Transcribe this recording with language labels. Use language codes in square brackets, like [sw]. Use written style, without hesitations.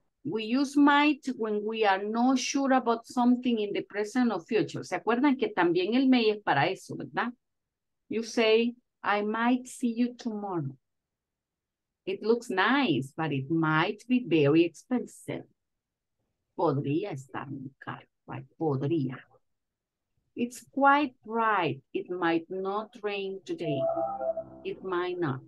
[en] We use might when we are not sure about something in the present or future. [es] ¿Se acuerdan que también el may es para eso, verdad? [en] You say, I might see you tomorrow. It looks nice, but it might be very expensive. [es] Podría estar muy caro, right? Podría. [en] It's quite bright. It might not rain today. It might not.